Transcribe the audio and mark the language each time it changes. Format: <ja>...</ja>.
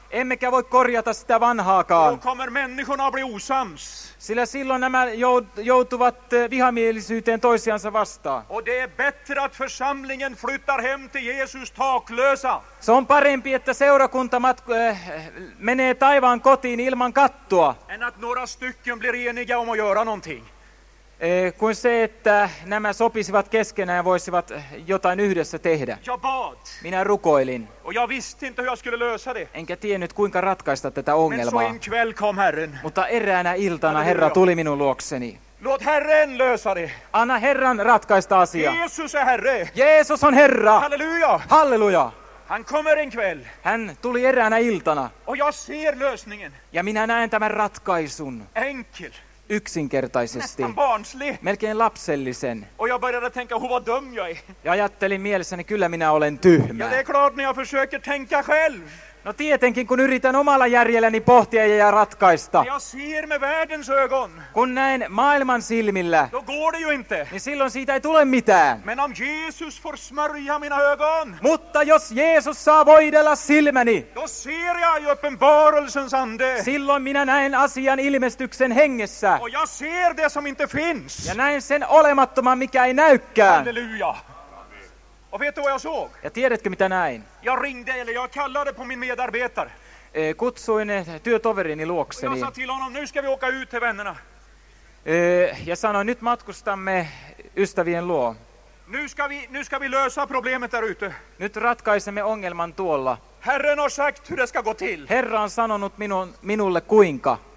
<fi>Emmekä voi korjata sitä vanhaakaan.</fi> <sv>Då kommer människorna bli osams.</sv> <fi>Sillä silloin nämä joutuvat vihamielisyyteen toisiansa vastaan.</fi> <sv>Och det är bättre att församlingen flyttar hem till Jesus taklösa.</sv> <fi>Se on parempi, että seurakunta menee taivaan kotiin ilman kattoa.</fi> <sv>Än att några stycken blir eniga om att göra någonting.</sv> <fi>Kuin se, että nämä sopisivat keskenään ja voisivat jotain yhdessä tehdä.</fi> <sv>Jag bad.</sv> <fi>Minä rukoilin.</fi> <sv>Och jag visste inte hur jag skulle lösa det.</sv> <fi>Enkä tiennyt, kuinka ratkaista tätä ongelmaa.</fi> <sv>Men så en kväll kom Herren.</sv> <fi>Mutta eräänä iltana Herra tuli minun luokseni.</fi> <sv>Låt Herren lösa det.</sv> <fi>Anna Herran ratkaista asia.</fi> <sv>Jesus är Herre.</sv> <fi>Jeesus on Herra. Halleluja. Halleluja.</fi> <sv>Han kommer en kväll.</sv> <fi>Hän tuli eräänä iltana.</fi> <sv>Och jag ser lösningen.</sv> <fi>Ja minä näen tämän ratkaisun.</fi> <sv>Enkel.</sv> <fi>Yksinkertaisesti.</fi> <sv>Nästan barnslig.</sv> <fi>Melkein lapsellisen.</fi> <sv>Och jag började tänka, hur var dum jag är.</sv> <fi>Ja ajattelin mielessäni, kyllä minä olen tyhmä.</fi> <sv>Ja det är klart när jag försöker tänka själv.</sv> <fi>No tietenkin, kun yritän omalla järjelläni pohtia ja ratkaista.</fi> <sv>Jag ser med världens ögon.</sv> <fi>Kun näen maailman silmillä.</fi> <sv>Då går det ju inte.</sv> <fi>Niin silloin siitä ei tule mitään.</fi> <sv>Men om Jesus får smörja mina ögon.</sv> <fi>Mutta jos Jeesus saa voidella silmäni.</fi> <sv>Då ser jag ju uppenbarelsens ande.</sv> <fi>Silloin minä näen asian ilmestyksen hengessä.</fi> <sv>Och jag ser det som inte finns.</sv> <fi>Ja näen sen olemattoman, mikä ei näykään.</fi> <sv>Halleluja. Och vet du vad jag såg?</sv> <fi>Ja tiedätkö mitä näin?</fi> <sv>Jag ringde eller jag kallade på min medarbetare.</sv> <fi>Kutsuin työtoverini luokseni.</fi> <sv>Jag sa till honom, nu ska vi åka ut till vännerna.</sv> <fi>Ja sanoin, nyt matkustamme ystävien luo.</fi> <sv>Nu ska vi lösa problemet där ute.</sv> <fi>Nyt ratkaisemme ongelman tuolla.</fi> <sv>Herren har sagt hur det ska gå till.</sv> <fi>Herra on sanonut minulle kuinka.</fi>